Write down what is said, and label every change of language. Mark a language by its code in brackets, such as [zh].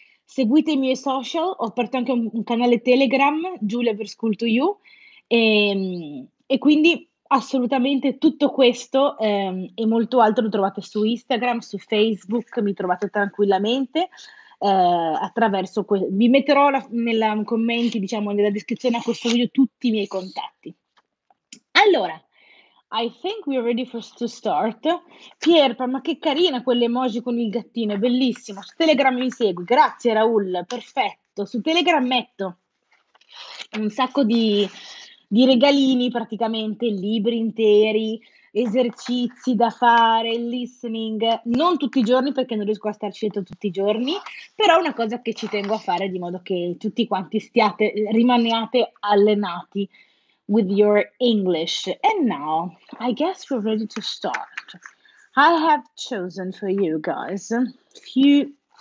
[it] Seguite i miei social, ho aperto anche un canale Telegram, Giulia per School to You, e quindi assolutamente tutto questo e molto altro lo trovate su Instagram, su Facebook, mi trovate tranquillamente. attraverso questo. Vi metterò nei commenti, diciamo, nella descrizione a questo video tutti i miei contatti. [en] Allora, I think we're ready for to start. [it] Pierpa, ma che carina quell'emoji con il gattino, è bellissimo. Su Telegram mi segui, grazie Raul, perfetto. Su Telegram metto un sacco di regalini praticamente, libri interi, esercizi da fare, listening, non tutti i giorni perché non riesco a starci dietro tutti i giorni, però è una cosa che ci tengo a fare di modo che tutti quanti rimaniate allenati with your English. [en] And now, I guess we're ready to start. I have chosen for you guys a few...